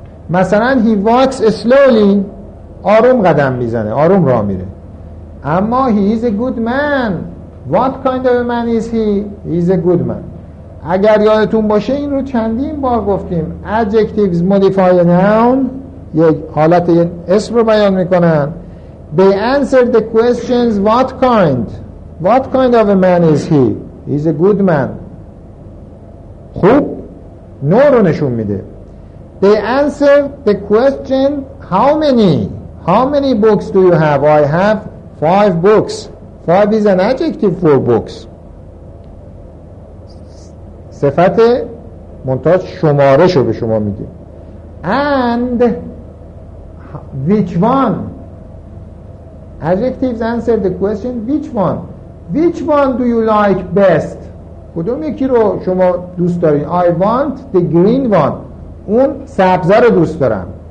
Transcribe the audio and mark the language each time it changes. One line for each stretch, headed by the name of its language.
Persian: مثلا
English: he walks slowly،
Persian: آروم قدم میزنه، آروم راه میره.
English: اما he is a good man، what kind of man is he؟ He is a good man.
Persian: اگر یادتون باشه این رو چندین بار گفتیم،
English: adjectives modify a noun،
Persian: یک حالت یک اسم رو بیان میکنن.
English: They answer the questions what kind of a man is he؟ He's a good man.
Persian: خوب نوع رو نشون میده.
English: They answer the question how many books do you have؟ I have 5 books. 5 is an adjective for books،
Persian: صفت منتاج شمارش رو به شما میده.
English: And which one؟ Adjectives answer the question which one do you like best؟
Persian: کدوم یکی رو شما دوست دارین؟
English: I want the green one،
Persian: اون سبز رو دوست دارم.